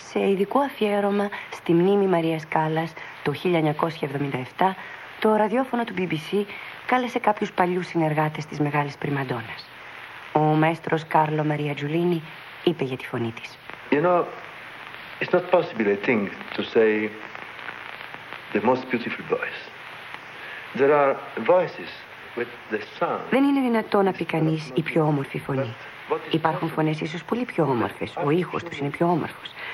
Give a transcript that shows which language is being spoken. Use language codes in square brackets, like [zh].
[el] Ειδικό αφιέρωμα στη μνήμη Μαρίας Κάλλας Το 1977 το ραδιόφωνο του BBC κάλεσε κάποιους παλιούς συνεργάτες της μεγάλης πριμαντόνας. Ο μαέστρος Κάρλο Μαρία Τζουλίνι είπε για τη φωνή της. [en] You know, it's not possible, I think, to say the most beautiful voice. There are voices with the sound. [el] Δεν είναι δυνατό να πει κανείς η πιο όμορφη φωνή. Υπάρχουν φωνές ίσως πολύ πιο όμορφες, ο ήχος τους είναι πιο όμορφος.